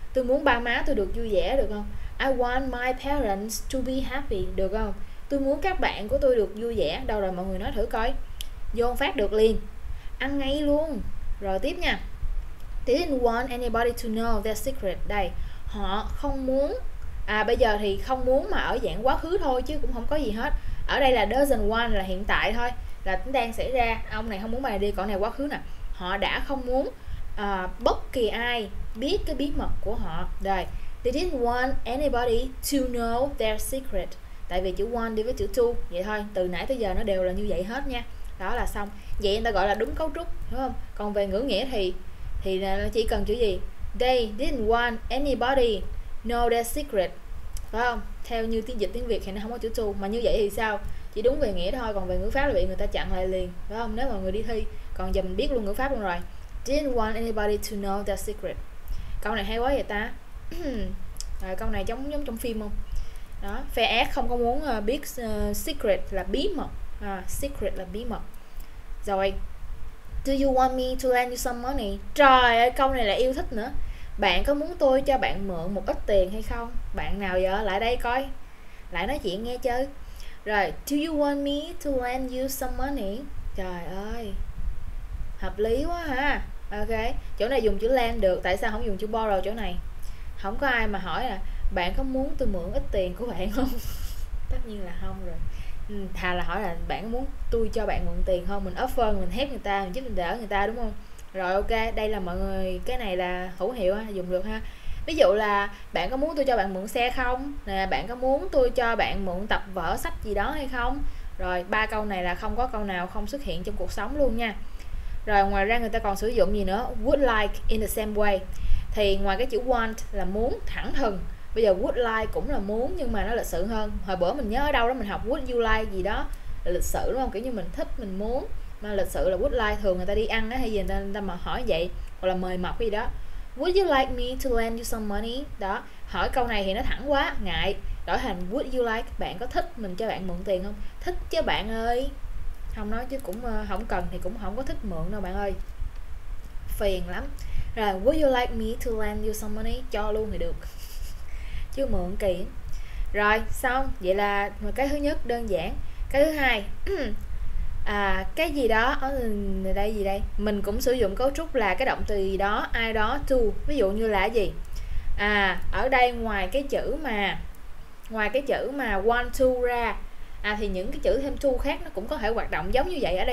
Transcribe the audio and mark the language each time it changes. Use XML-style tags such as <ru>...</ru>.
<vi>Tôi muốn ba má tôi được vui vẻ, được không?</vi> <en>I want my parents to be happy,</en> <vi>được không? Tôi muốn các bạn của tôi được vui vẻ. Đâu rồi mọi người, nói thử coi, vô phát được liền, ăn ngay luôn. Rồi tiếp nha.</vi> <en>They didn't want anybody to know their secret.</en> <vi>Đây, họ không muốn. À bây giờ thì không muốn mà ở dạng quá khứ thôi, chứ cũng không có gì hết. Ở đây là doesn't want là hiện tại thôi, là đang xảy ra. Ông này không muốn bà này đi, còn này quá khứ nè. Họ đã không muốn bất kỳ ai biết cái bí mật của họ. Đây,</vi> <en>they didn't want anybody to know their secret.</en> <vi>Tại vì chữ want đi với chữ to, vậy thôi, từ nãy tới giờ nó đều là như vậy hết nha. Đó là xong. Vậy người ta gọi là đúng cấu trúc, đúng không? Còn về ngữ nghĩa thì chỉ cần chữ gì?</vi> <en>They didn't want anybody know their secret,</en> <vi>phải không? Theo như tiếng dịch tiếng Việt thì nó không có chữ to. Mà như vậy thì sao? Chỉ đúng về nghĩa thôi, còn về ngữ pháp là bị người ta chặn lại liền, phải không? Nếu mà người đi thi. Còn giờ mình biết luôn ngữ pháp luôn rồi.</vi> <en>Didn't want anybody to know their secret.</en> <vi>Câu này hay quá vậy ta. Rồi, câu này giống trong phim không? Đó, fair ass không có muốn biết secret là bí mật. Secret là bí mật. Rồi,</vi> <en>do you want me to lend you some money?</en> <vi>Trời ơi, câu này là yêu thích nữa. Bạn có muốn tôi cho bạn mượn một ít tiền hay không? Bạn nào giờ lại đây coi, lại nói chuyện nghe chứ. Rồi,</vi> <en>do you want me to lend you some money?</en> <vi>Trời ơi, hợp lý quá ha. Ok, chỗ này dùng chữ lend được, tại sao không dùng chữ borrow chỗ này? Không có ai mà hỏi là bạn có muốn tôi mượn ít tiền của bạn không? Tất nhiên là không rồi. Thà là hỏi là bạn muốn tôi cho bạn mượn tiền không, mình offer, mình hét người ta, mình giúp mình đỡ người ta đúng không? Rồi ok, đây là mọi người, cái này là hữu hiệu ha, dùng được ha. Ví dụ là bạn có muốn tôi cho bạn mượn xe không, nè bạn có muốn tôi cho bạn mượn tập vở sách gì đó hay không. Rồi ba câu này là không có câu nào không xuất hiện trong cuộc sống luôn nha. Rồi ngoài ra người ta còn sử dụng gì nữa,</vi> <en>would like in the same way.</en> <vi>Thì ngoài cái chữ want là muốn thẳng thừng, bây giờ would like cũng là muốn nhưng mà nó lịch sự hơn. Hồi bữa mình nhớ ở đâu đó mình học would you like gì đó là lịch sự đúng không, kiểu như mình thích mình muốn. Mà lịch sự là would like, thường người ta đi ăn á hay gì người ta mà hỏi vậy, hoặc là mời mọc gì đó.</vi> <en>Would you like me to lend you some money?</en> <vi>Đó, hỏi câu này thì nó thẳng quá, ngại. Đổi thành would you like, bạn có thích mình cho bạn mượn tiền không? Thích chứ bạn ơi. Không nói chứ cũng không cần thì cũng không có thích mượn đâu bạn ơi. Phiền lắm. Rồi,</vi> <en>would you like me to lend you some money?</en> <vi>Cho luôn thì được. Chứ mượn kỹ. Rồi, xong. Vậy là cái thứ nhất đơn giản. Cái thứ hai. À, cái gì đó ở đây gì đây, mình cũng sử dụng cấu trúc là cái động từ gì đó ai đó to, ví dụ như là gì, à ở đây ngoài cái chữ mà want to ra, à thì những cái chữ thêm to khác nó cũng có thể hoạt động giống như vậy.</vi>